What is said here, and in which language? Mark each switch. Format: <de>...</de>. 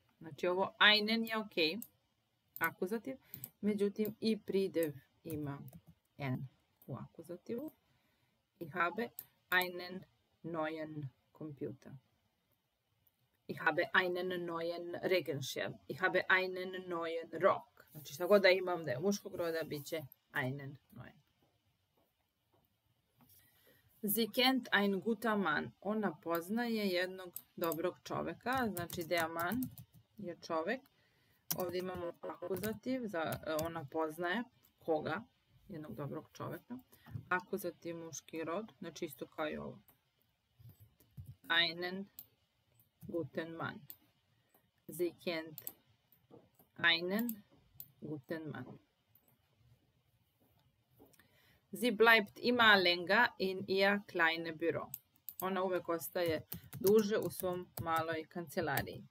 <sr>Znači, ovo einen je ok, akuzativ, međutim i pridev ima n u akuzativu.</sr> <de>Ich habe einen neuen Computer. Ich habe einen neuen Regenschirm. Ich habe einen neuen Rock.</de> <sr>Znači, šta god da imam da je muškog roda, bit će</sr> <de>einen neuen. Sie kennt ein guter Mann.</de> <sr>Ona poznaje jednog dobrog čoveka. Znači, der Mann je čovek. Ovdje imamo akuzativ, za, ona poznaje koga, jednog dobrog čoveka. Akuzativ muški rod, znači isto kao i ovo.</sr> <de>Einen guten Mann. Sie kennt einen guten Mann. Sie bleibt immer länger in ihr kleines Büro.</de> <sr>Ona uvek ostaje duže u svom maloj kancelariji.</sr>